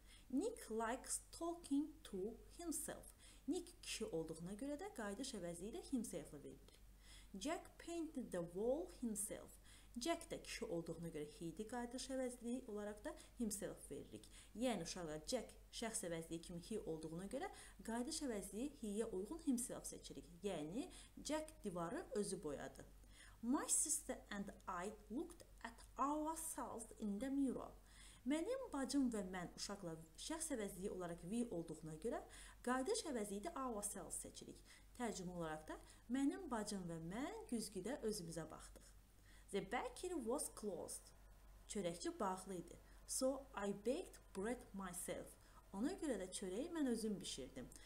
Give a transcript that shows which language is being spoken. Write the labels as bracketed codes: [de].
[en] Nick likes talking to himself. [az] Nick kişi olduğuna görə də qaydış əvəzliyi ilə himself verilir. [en] Jack painted the wall himself. [az] Jack də kişi olduğuna görə he-di qaydış əvəzliyi olaraq da himself veririk. Yəni uşaqlar Jack şəxs əvəzliyi kimi he olduğuna görə qaydış əvəzliyi he-yə uyğun himself seçirik. Yəni Jack divarı özü boyadı. [en] My sister and I looked at ourselves in the mirror. [az] Mənim bacım və mən uşaqlar şəxs əvəzliyi olaraq we olduğuna görə qaydış əvəzliyi də ourselves seçirik. Tərcümə olaraq da mənim bacım və mən güzgüdə özümüzə baxdıq. [en] The bakery was closed. [az] Çörəkçi bağlıydı. [en] So I baked bread myself. [az] Ona görə də çörəyi mən özüm bişirdim.